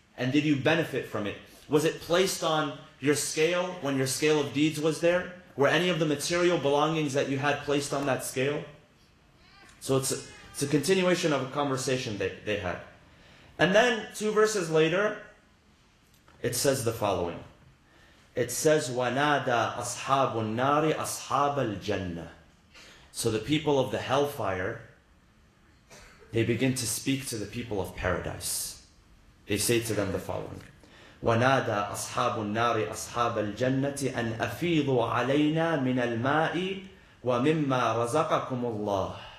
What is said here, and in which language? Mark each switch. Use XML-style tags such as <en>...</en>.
<en>And did you benefit from it? Was it placed on your scale when your scale of deeds was there? Were any of the material belongings that you had placed on that scale? So it's a continuation of a conversation they had. And then two verses later, it says the following. It says,</en> <ar>وَنَادَى أَصْحَابُ النَّارِ أَصْحَابَ الْجَنَّةِ.</ar> <en>So the people of the hellfire, they begin to speak to the people of paradise. They say to them the following.</en> <ar>وَنَادَى أَصْحَابُ النَّارِ أَصْحَابَ الْجَنَّةِ أَنْ أَفِيضُوا عَلَيْنَا مِنَ الْمَاءِ ومما رزقكم الله.</ar>